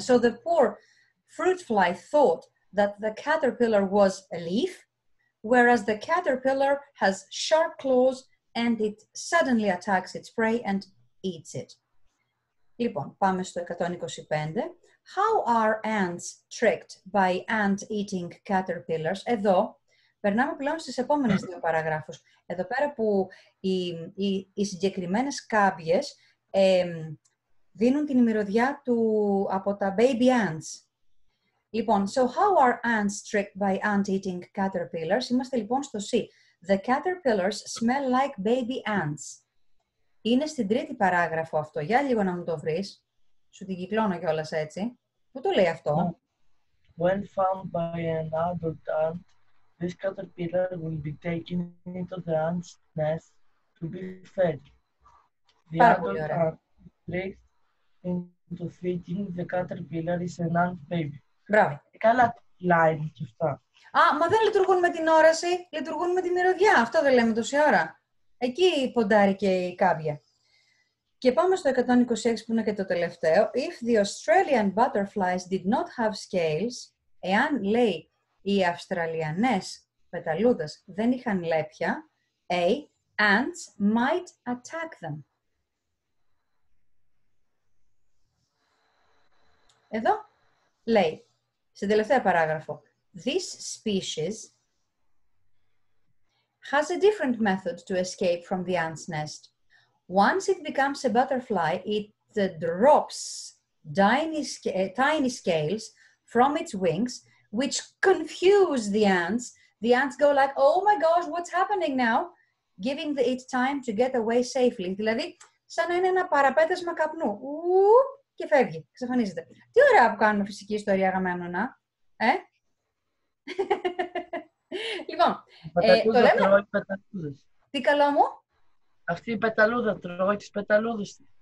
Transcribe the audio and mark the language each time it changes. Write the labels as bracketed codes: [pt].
[en] So the poor fruit fly thought that the caterpillar was a leaf, whereas the caterpillar has sharp claws and it suddenly attacks its prey and eats it. [el] Λοιπόν, πάμε στο 125. [en] How are ants tricked by ant-eating caterpillars? [el] Εδώ, περνάμε πλέον στις επόμενες δύο παραγράφους. Εδώ πέρα που οι συγκεκριμένες κάμπιες δίνουν την μυρωδιά από τα baby ants. Λοιπόν, [en] so how are ants tricked by ant-eating caterpillars? [el] Είμαστε λοιπόν στο C. [en] The caterpillars smell like baby ants. [el] Είναι στην τρίτη παράγραφο αυτό. Για λίγο να μου το βρεις. Σου την κυκλώνω κιόλας έτσι. Πού το λέει αυτό? [en] When found by an adult ant, this caterpillar will be taken into the ant's nest to be fed. The [el] Πάρα [en] adult [el] πολύ ωραία. [en] Ant tricked into thinking the caterpillar is an ant baby. [el] Μπράβο. Καλά line και αυτά. Α, μα δεν λειτουργούν με την όραση. Λειτουργούν με τη μυρωδιά. Αυτό δεν λέμε τόση ώρα. Εκεί ποντάρει και η κάμπια. Και πάμε στο 126 που είναι και το τελευταίο. [en] If the Australian butterflies did not have scales, [el] εάν λέει οι Αυστραλιανές πεταλούδες δεν είχαν λέπια, [en] A, ants might attack them. [el] Εδώ λέει, στην τελευταία παράγραφο, [en] this species has a different method to escape from the ant's nest. Once it becomes a butterfly, it drops tiny scales from its wings, which confuse the ants. The ants go like, oh my gosh, what's happening now? Giving it time to get away safely. [el] Δηλαδή, σαν να είναι ένα παραπέτασμα καπνού. Και φεύγει, ξαφανίζεται. Τι ωραία που κάνουμε φυσική ιστορία, αγαμένο, να. Ε? Λοιπόν, το λέμε... Πεταλούδες. Τι καλό μου? Αυτή η πεταλούδα, τρώει τις πεταλούδες.